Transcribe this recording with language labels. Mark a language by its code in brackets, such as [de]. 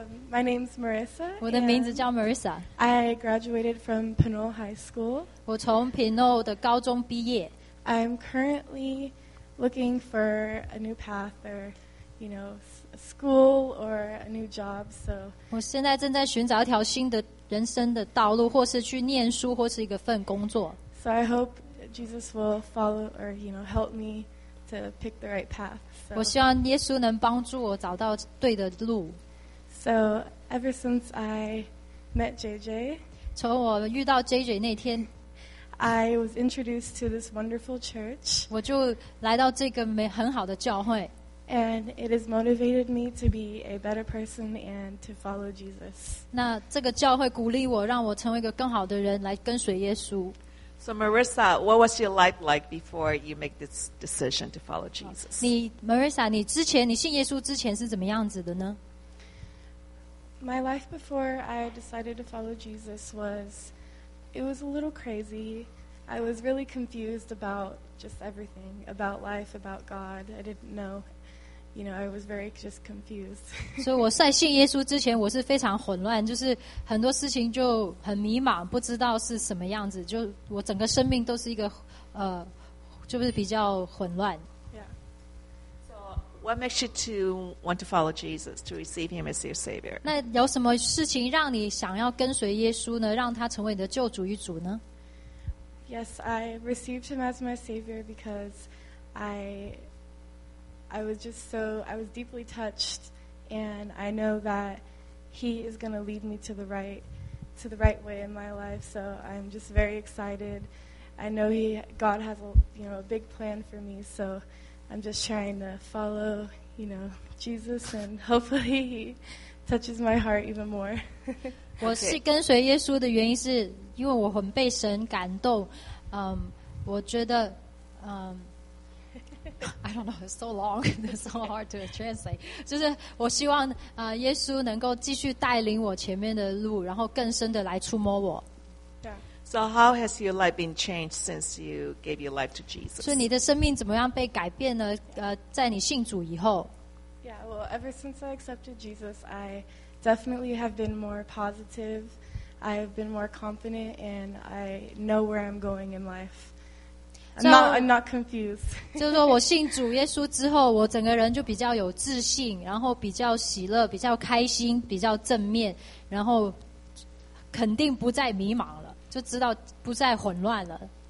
[en] My name's Marissa. [zh] 我的名字叫Marissa. [en] I graduated from Pinot High School. [zh] 我从Pinot的高中毕业。 [en] I'm currently looking for a new path or, you know, school or a new job, so. [zh] 我现在正在寻找一条新的 人生的道路，或是去念书，或是一个份工作。 [en] So I hope Jesus will follow or you know help me to pick the right path. So, [zh] 我希望耶稣能帮助我找到对的路。 [en] So ever since I met JJ, [zh] 从我遇到 JJ 那天， [en] I was introduced to this wonderful church. [zh] 我就来到这个很好的教会。 [en] And it has motivated me to be a better person and to follow Jesus. [zh] 那这个教会鼓励我，让我成为一个更好的人，来跟随耶稣。 [en] So Marissa, what was your life like before you make this decision to follow Jesus? [zh] 你 Marissa, 你之前你信耶稣之前是怎么样子的呢？ [en] My life before I decided to follow Jesus was, it was a little crazy. I was really confused about just everything, about life, about God. I didn't know, you know, I was very just confused. [zh] 所以我在信耶稣之前我是非常混乱，就是很多事情就很迷茫，不知道是什么样子，就我整个生命都是一个就是比较混乱。 [en] Yeah. So what makes you to want to follow Jesus, to receive him as your savior? [zh] 那有什么事情让你想要跟随耶稣呢，让他成为你的救主与主呢？ [en] Yes, I received him as my savior because I was deeply touched, and I know that he is going to lead me to the right way in my life. So I'm just very excited. I know God has a big plan for me. So I'm just trying to follow, you know, Jesus, and hopefully he touches my heart even more. [zh] 我是跟随耶稣的原因是因为我很被神感动，我觉得， [en] I don't know, it's so long, it's so hard to translate. [zh] 就是我希望耶稣能够继续带领我前面的路，然后更深的来触摸我。 [en] So how has your life been changed since you gave your life to Jesus? [zh] 所以你的生命怎么样被改变呢？在你信主以后。 [en] Yeah, well, ever since I accepted Jesus, I definitely have been more positive. I have been more confident, and I know where I'm going in life. I'm not confused. [zh] 就是说我信主耶稣之后，我整个人就比较有自信，然后比较喜乐，比较开心，比较正面，然后肯定不再迷茫了，就知道不再混乱了。